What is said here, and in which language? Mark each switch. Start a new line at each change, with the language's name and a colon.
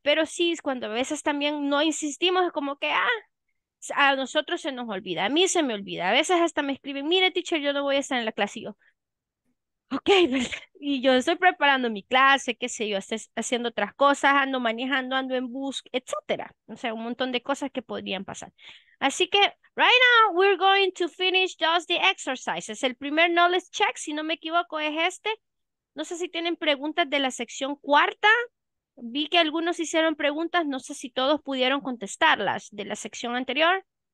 Spanish: Pero sí, cuando a veces también no insistimos, es como que, a nosotros se nos olvida, a mí se me olvida. A veces hasta me escriben, mire, teacher, yo no voy a estar en la clase. Y yo, ok, ¿verdad? Y yo estoy preparando mi clase, qué sé yo, estoy haciendo otras cosas, ando manejando, ando en bus, etcétera. O sea, un montón de cosas que podrían pasar. Así que,
English: right now, we're going to finish just the exercises.
Spanish: El primer knowledge check, si no me equivoco, es este. No sé si tienen preguntas de la sección cuarta. Vi que algunos hicieron preguntas. No sé si todos pudieron contestarlas de la sección anterior.